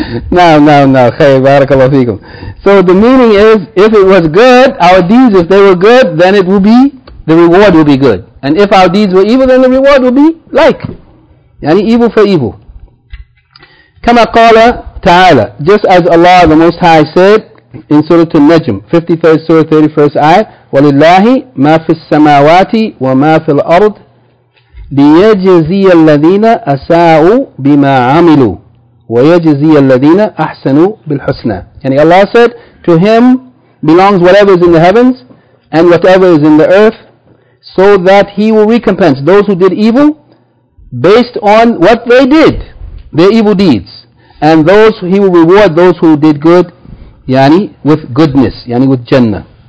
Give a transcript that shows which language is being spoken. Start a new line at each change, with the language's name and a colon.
English: No. Khayr, barakallahu feekum. So the meaning is, if it was good, our deeds, if they were good, then it will be, the reward will be good. And if our deeds were evil, then the reward will be like. Yani evil for evil.
Arabic: Kama qala ta'ala.
English: Just as Allah the Most High said in Surah Al-Najm, 53rd Surah, 31st Ayah,
Arabic: وَلِلَّهِ مَا فِي السَّمَاوَاتِ وَمَا فِي الْأَرْضِ لِيَجْزِيَ الَّذِينَ أَسَاءُوا بِمَا عَمِلُوا وَيَجْزِيَ الَّذِينَ أَحْسَنُوا بِالْحُسْنَى.
English: Yani Allah said, to Him belongs whatever is in the heavens and whatever is in the earth, so that He will recompense those who did evil based on what they did, their evil deeds. And those He will reward those who did good, yani with goodness, yani with Jannah.